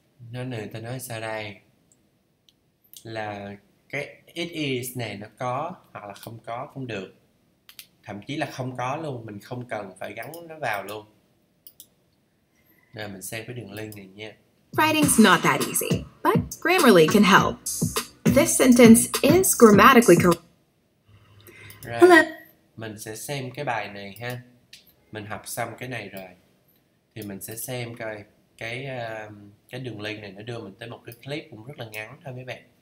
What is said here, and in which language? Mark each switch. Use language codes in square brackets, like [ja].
[vi] Nên người ta nói sao đây? Là cái it is này nó có hoặc là không có cũng được. Thậm chí là không có luôn, mình không cần phải gắn nó vào luôn. Rồi mình xem cái đường link này nha. [en] Writing's not that easy, but Grammarly can help. This sentence is grammatically correct. Right. Hello. [vi] Mình sẽ xem cái bài này ha. Mình học xong cái này rồi. Thì mình sẽ xem coi cái đường link này nó đưa mình tới một cái clip cũng rất là ngắn thôi mấy bạn.